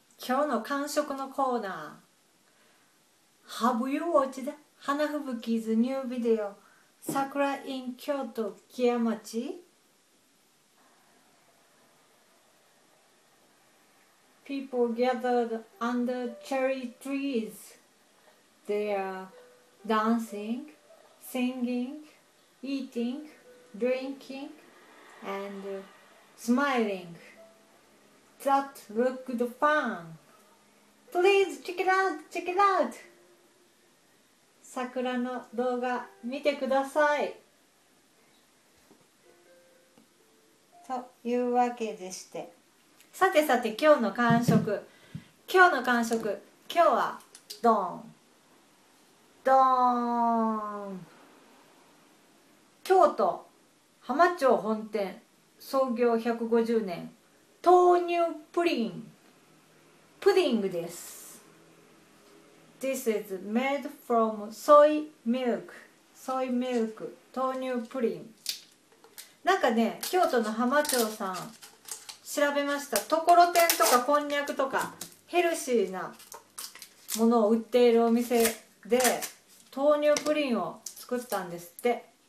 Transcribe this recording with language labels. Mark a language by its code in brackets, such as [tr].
[ja] 今日の感触のコーナー、 [en] Have you watched 花吹雪's new video 桜 in 京都木屋町。 People gathered under cherry trees. They are dancing, singing, eating, drinking, and smiling. That looked fun. Please check it out, check it out. [ja] 桜の動画見てください。というわけでして。さてさて、今日の感触、今日の感触、今日はドーンドーン、京都浜町本店、創業150年、豆乳プリン、プディングです。 [en] This is made from soy milk. Soy milk [ja] 豆乳プリン。なんかね、京都の浜町さん調べました。ところてんとかこんにゃくとかヘルシーなものを売っているお店で豆乳プリンを作ったんですって。